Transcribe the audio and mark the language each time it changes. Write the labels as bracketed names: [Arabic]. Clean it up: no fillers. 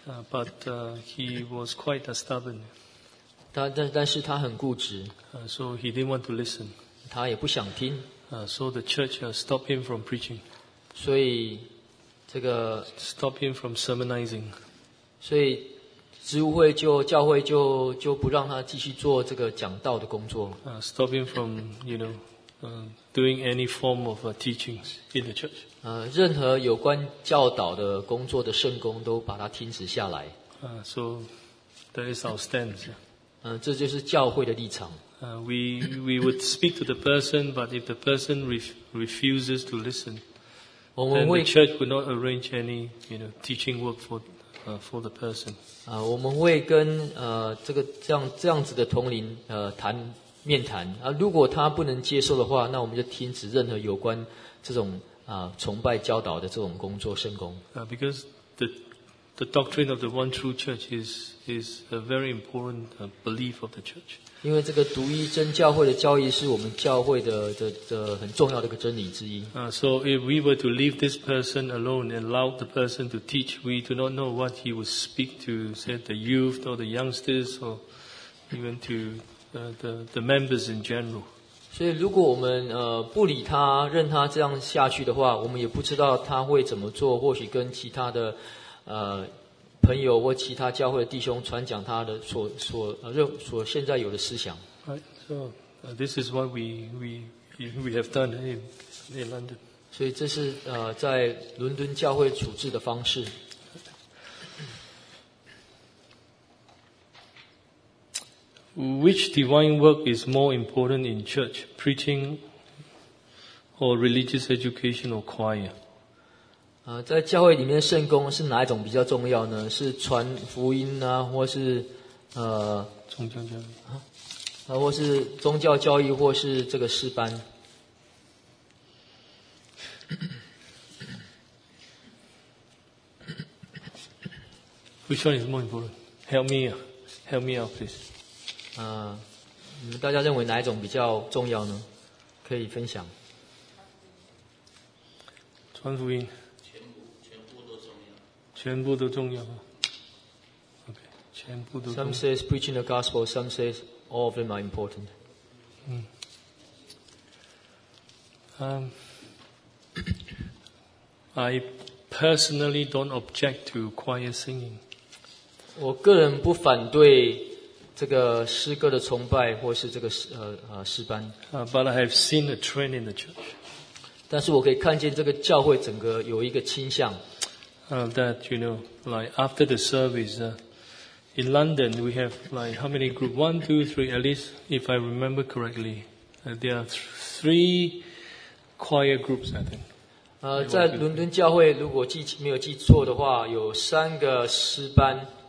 [English] But he was quite stubborn. [Chinese] 但是他很固执。 [English] So he didn't want to listen. [Chinese] 他也不想听。 [English] So the church stopped him from preaching. [Chinese] 所以这个 [English] stopped him from sermonizing. [Chinese] 所以执会就教会就不让他继续做这个讲道的工作。 [English] Stopped him from, you know,doing any form of teachings in the church. [Chinese] 任何有关教导的工作的圣工都把它停止下来。 [English] So that is our stance. [Chinese] 这就是教会的立场。 [English] We would speak to the person, but if the person refuses to listen, then the church would not arrange any, you know, teaching work for the person. [Chinese] 我们会跟这个这样子的同龄谈。面谈如果他不能接受的话，那我们就停止任何有关这种崇拜教导的这种工作圣工。 [English] Because the doctrine of the one true church is a very important belief of the church. [Chinese] 因为这个独一真教会的教义是我们教会的很重要的一个真理之一。 [English] So if we were to leave this person alone and allow the person to teach, we do not know what he would speak to, say, the youth or the youngsters or even to the members in general. [Chinese] 所以如果我们不理他，任他这样下去的话，我们也不知道他会怎么做，或许跟其他的朋友或其他教会的弟兄传讲他的所现在有的思想。 [English] Right. So, this is what we have done in London. [Chinese] 所以这是在伦敦教会处置的方式。 [English] Which divine work is more important in church, preaching or religious education or choir? [Chinese] 在教会里面圣工是哪一种比较重要呢？是传福音啊，或是宗教教育或是宗教教育，或是这个诗班？ [English] Which one is more important? Help me out, please. [Chinese] 你们大家认为哪一种比较重要呢？可以分享。传福音。全部都重要。 Okay, 全部都。 [English] Some says preaching the gospel. Some says all of them are important. I personally don't object to choir singing. [Chinese] 我个人不反对。这个诗歌的崇拜，或是这个诗班。 [English] But I have seen a trend in the church. [Chinese] 但是我可以看见这个教会整个有一个倾向。 [English] That you know, like after the service, in London we have like how many group? 1, 2, 3. At least if I remember correctly, there are three choir groups. I think. [Chinese] 在伦敦教会，如果没有记错的话，有三个诗班。